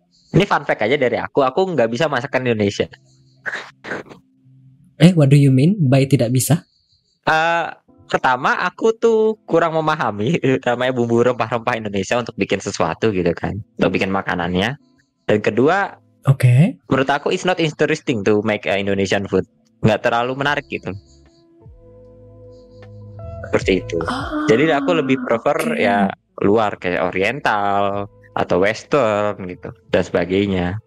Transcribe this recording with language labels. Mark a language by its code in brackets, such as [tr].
[id] Ini fun fact aja dari aku. Aku nggak bisa masakan Indonesia. [en] What do you mean by [id] tidak bisa? Pertama, aku tuh kurang memahami namanya bumbu rempah-rempah Indonesia untuk bikin sesuatu gitu kan. Untuk bikin makanannya. Dan kedua, [en] okay, [id] menurut aku [en] it's not interesting to make Indonesian food. [id] Nggak terlalu menarik gitu. Seperti itu. Jadi aku lebih prefer ya luar, kayak Oriental atau Western gitu dan sebagainya.